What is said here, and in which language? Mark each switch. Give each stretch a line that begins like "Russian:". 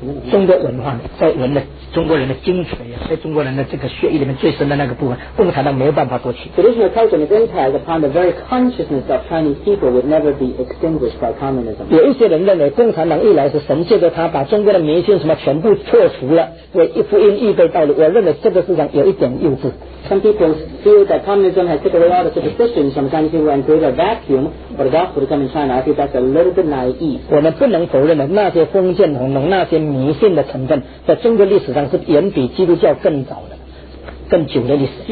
Chinese: 中国文化在人的中国人的精髓啊，在中国人的这个血液里面最深的那个部分，共产党没有办法过去。
English: Traditional culture and impact upon the very consciousness of Chinese people would never be extinguished by communism.
Chinese: 有一些人认为共产党一来是神借着他把中国的迷信什么全部破除了，为福音预备道路。我认为这个思想有一点幼稚。
English: Some people feel that communism has taken away all the superstitions from Chinese people and created a vacuum for the gospel to come in China. I think that's a little bit naive.
Chinese: 我们不能否认的那些封建统治、那些迷信的成分，在中国历史上是远比基督教更早的、更久的历史。